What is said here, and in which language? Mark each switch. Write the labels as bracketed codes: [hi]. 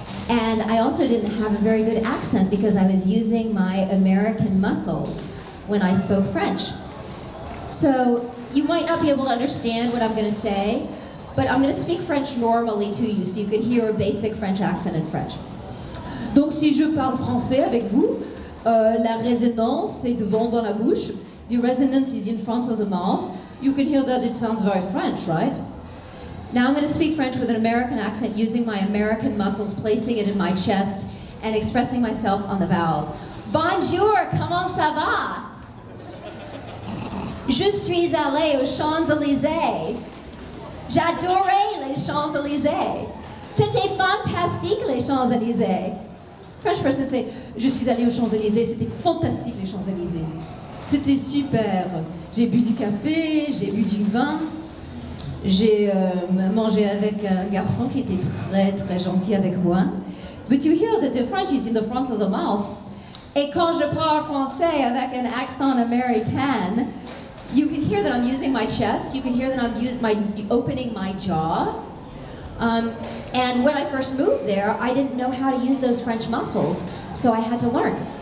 [en] And I also didn't have a very good accent because I was using my American muscles when I spoke French. So you might not be able to understand what I'm gonna say, but I'm gonna speak French normally to you so you can hear a basic French accent in French. [fr] Donc si je parle français avec vous, la résonance est devant dans la bouche. [en] The resonance is in front of the mouth. You can hear that it sounds very French, right? Now I'm going to speak French with an American accent using my American muscles, placing it in my chest and expressing myself on the vowels. [fr] Bonjour, comment ça va? Je suis allé aux Champs-Élysées. J'adorais les Champs-Élysées. C'était fantastique les Champs-Élysées. [en] French person say, [fr] je suis allé aux Champs-Élysées, c'était fantastique les Champs-Élysées. C'était super. J'ai bu du café, j'ai bu du vin. J'ai mangé avec un garçon qui était très, très gentil avec moi. [en] But you hear that the French is in the front of the mouth. [fr] Et quand je parle français avec un accent américain, [en] you can hear that I'm using my chest, you can hear that I'm opening my jaw. And when I first moved there, I didn't know how to use those French muscles, so I had to learn.